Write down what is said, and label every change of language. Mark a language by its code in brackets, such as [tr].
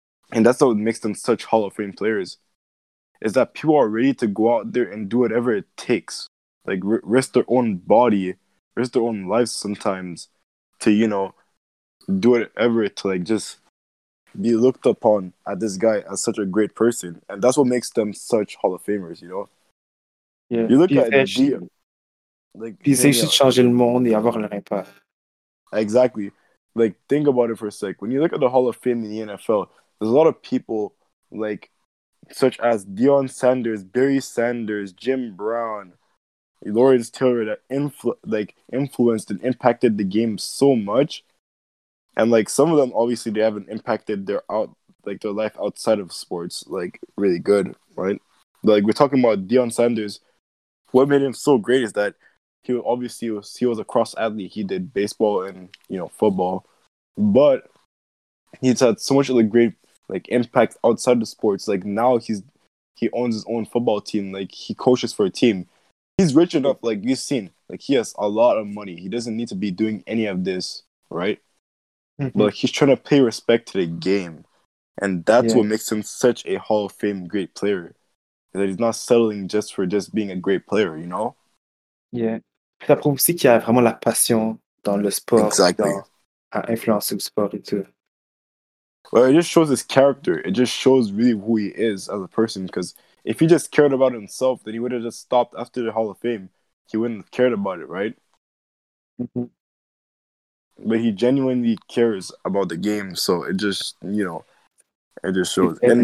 [en] And that's what makes them such Hall of Fame players, is that people are ready to go out there and do whatever it takes. Like, risk their own body, risk their own lives sometimes to, you know, do whatever to, like, just be looked upon at this guy as such a great person. And that's what makes them such Hall of Famers, you know? Yeah. You look puis at the je... [fr] like, puis c'est juste changer le monde et avoir leur impact. [en] Exactly. Like, think about it for a sec. When you look at the Hall of Fame in the NFL, there's a lot of people, like, such as Deion Sanders, Barry Sanders, Jim Brown, Lawrence Taylor, that influenced and impacted the game so much. And, like, some of them, obviously, they haven't impacted their life outside of sports, like, really good, right? But, like, we're talking about Deion Sanders. What made him so great is that he was a cross athlete. He did baseball and, you know, football. But he's had so much of the great, like, impact outside of sports. Like, now he owns his own football team. Like, he coaches for a team. He's rich enough, like you've seen. Like, he has a lot of money. He doesn't need to be doing any of this, right? Mm-hmm. But, like, he's trying to pay respect to the game. And that's what makes him such a Hall of Fame great player. That he's not settling just for just being a great player, you know? Yeah. [fr] Ça prouve aussi qu'il y a vraiment la passion dans le sport. [en] Exactly. [fr] À influencer le sport et tout. [en] Well, it just shows his character. It just shows really who he is as a person, because if he just cared about himself, then he would have just stopped after the Hall of Fame. He wouldn't have cared about it, right? Mm-hmm. But he genuinely cares about the game, so it just, you know, it just shows.